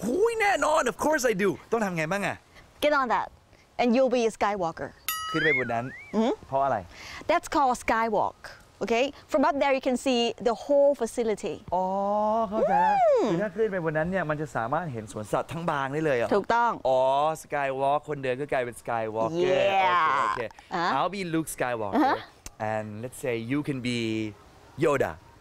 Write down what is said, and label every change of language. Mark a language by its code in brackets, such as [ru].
[th] หูยแน่นอน Of course I do ต้องทำไงบ้างอ่ะ [en] Get on that and you'll be a Skywalker [th] ขึ้นไปบนนั้นเพราะอะไร [en] That's called Skywalk okay from up there you can see the whole facility [th] อ๋อครับถ้าขึ้นไปบนนั้นเนี่ยมันจะสามารถเห็นสวนสัตว์ทั้งบางได้เลยอ่ะ ถูกต้อง อ๋อ Skywalk คนเดินก็กลายเป็น Skywalker โอเค [en] I'll be Luke Skywalker and let's say you can be Yoda